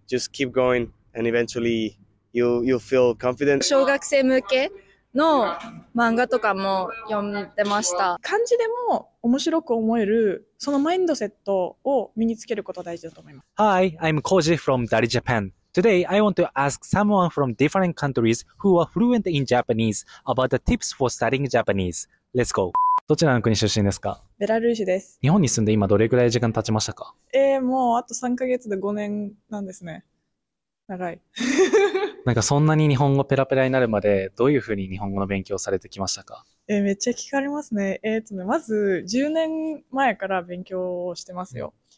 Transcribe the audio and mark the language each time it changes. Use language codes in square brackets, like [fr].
[en] just keep going and eventually you'll feel confident. [ja] 小学生向けの漫画とかも読んでました。漢字でも面白く思えるそのマインドセットを身につけることが大事だと思います。 [en] Hi, I'm Koji from Dari Japan. Today, I want to ask someone from different countries who are fluent in Japanese about the tips for studying Japanese. Let's go. [ja] どちらの国出身ですか？ベラルーシです。日本に住んで今どれくらい時間経ちましたか？もうあと3ヶ月で5年なんですね。長い。なんかそんなに日本語ペラペラになるまでどういうふうに日本語の勉強されてきましたか？めっちゃ聞かれますね。まず10年前から勉強をしてますよ。